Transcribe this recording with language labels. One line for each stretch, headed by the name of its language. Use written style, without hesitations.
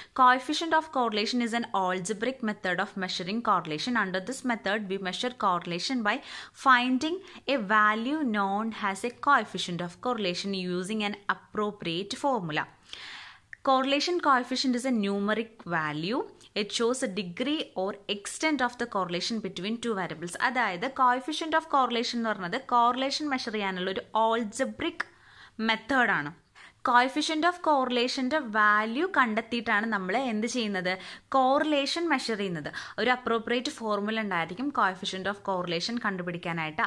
English: Coefficient of correlation is an algebraic method of measuring correlation. Under this method V measure correlation by finding A value non has A coefficient of correlation using an appropriate formula. Correlation coefficient is A numeric value. It shows the degree or extent of the correlation between two variables.
Malayalam: അതായത് coefficient of correlation എന്ന് പറഞ്ഞത് correlation measure ചെയ്യാനുള്ള ഒരു algebraic മെത്തേഡാണ്. Coefficient of കോറിലേഷൻ്റെ value കണ്ടെത്തിയിട്ടാണ് നമ്മൾ എന്ത് ചെയ്യുന്നത്? Correlation measure ചെയ്യുന്നത്. ഒരു അപ്രോപ്രിയേറ്റ് ഫോർമുല ഉണ്ടായിരിക്കും കോയഫിഷ്യൻറ്റ് ഓഫ് കോറിലേഷൻ കണ്ടുപിടിക്കാനായിട്ട്.